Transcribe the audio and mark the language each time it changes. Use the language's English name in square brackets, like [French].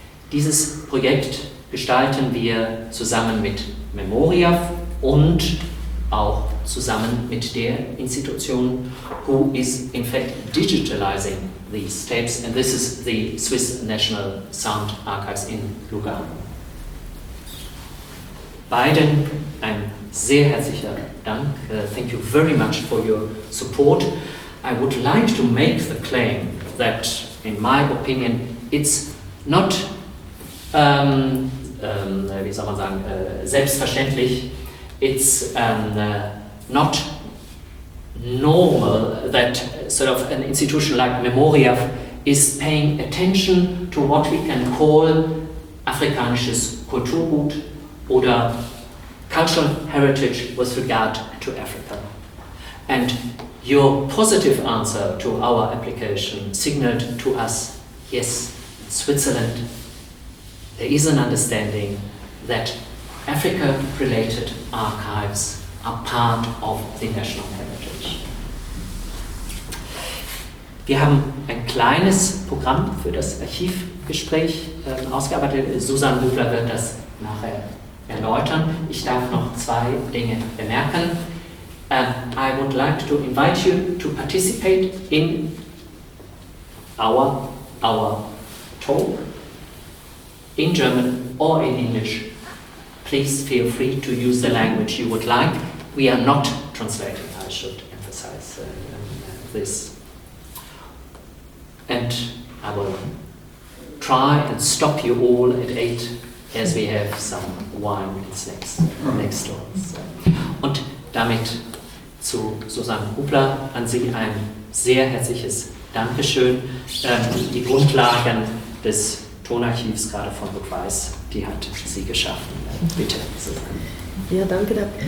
[German] Dieses Projekt gestalten wir zusammen mit Memoriaf und auch zusammen mit der Institution, [English] who is in fact digitalizing these tapes, and this is the Swiss National Sound Archives in Lugano. [German] Beiden ein sehr herzlicher Dank. [English] Thank you very much for your support. I would like to make the claim that, in my opinion, it's not, [German] wie soll man sagen, selbstverständlich, [English] it's not normal that sort of an institution like Memoriaf is paying attention to what we can call [German] afrikanisches Kulturgut oder [English] cultural heritage with regard to Africa. And your positive answer to our application signaled to us, yes, Switzerland, there is an understanding that Africa-related archives are part of the national heritage. [German] Wir haben ein kleines Programm für das Archivgespräch ausgearbeitet. Susan Löbler wird das nachher erläutern. Ich darf noch zwei Dinge bemerken. [English] I would like to invite you to participate in our talk in German or in English. Please feel free to use the language you would like. We are not translating, I should emphasize this. And I will try and stop you all at 8, as we have some wine and snacks next door. [German] Und damit zu Susanne Hubler, an Sie ein sehr herzliches Dankeschön. Die Grundlagen des Tonarchivs, gerade von Buchweiß, die hat sie geschaffen. Bitte, Susanne. Ja, danke.